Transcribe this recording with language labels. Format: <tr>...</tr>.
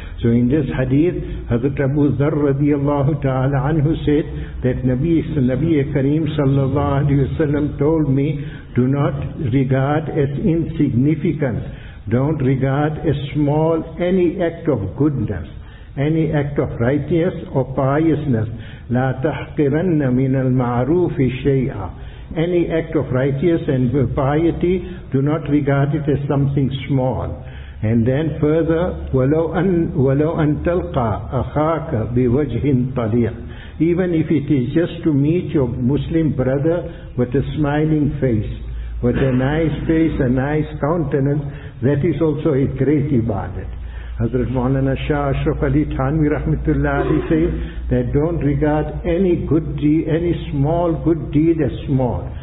<en>So in this hadith, Hazrat Abu Dharr radiallahu ta'ala anhu said that Nabi Kareem sallallahu alayhi wa sallam told me, do not regard as insignificant, don't regard as small any act of goodness, any act of righteousness or piousness.</en> <ar>لا تحقرن من المعروف شيئا.</ar> <en>Any act of righteousness and piety, do not regard it as something small. And then further,</en> <ar>ولو أن تلقى أخاك بوجه طليق.</ar> <en>Even if it is just to meet your Muslim brother with a smiling face, with a nice face, a nice countenance, that is also a great ibadat. Hazrat Maulana Shah Ashraf Ali Thanvi Rahmatullah Ali say that don't regard any good deed, any small good deed as small.</en>